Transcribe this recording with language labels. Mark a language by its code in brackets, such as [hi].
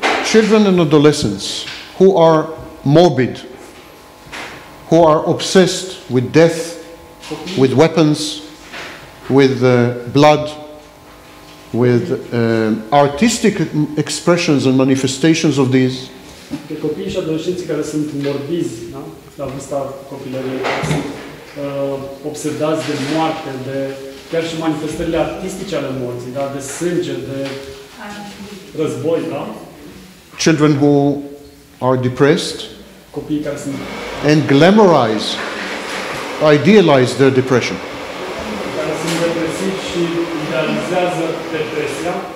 [en] Children and adolescents who are morbid. Who are obsessed with death, with weapons, with blood, with artistic expressions and manifestations of these. [ro] Pe copii și adolescenți care sunt morbizi, da? La vârsta copilăriei, sunt obsedați de moarte, de chiar și manifestările artistice ale morții, da? De sânge, de război, da? [en] Children who are depressed. [ro] Copiii care sunt [en] and glamorize, idealize their depression. [ro] Care sunt depresivi și idealizează depresia.